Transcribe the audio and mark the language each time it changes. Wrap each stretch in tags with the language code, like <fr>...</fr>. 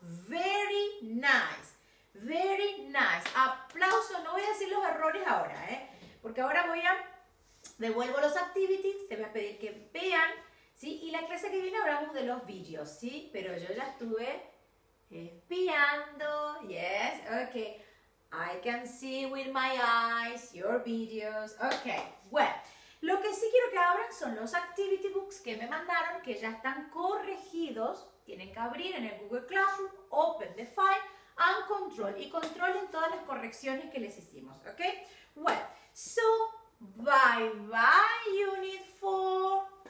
<en>Very nice. Very nice. Aplauso.</en> <es>No voy a decir los errores ahora, porque ahora voy a devuelvo los activities. Te voy a pedir que vean. ¿Sí? Y la clase que viene hablamos de los vídeos, ¿sí? Pero yo ya estuve espiando.</es> <en>Yes, okay. I can see with my eyes your videos. Okay, well,</en> <es>lo que sí quiero que abran son los activity books que me mandaron, que ya están corregidos. Tienen que abrir en el Google Classroom,</es> <en>open the file, and control.</en> <es>Y controlen todas las correcciones que les hicimos, okay?</es> <en>Well, so, bye-bye, Unit 4.</en>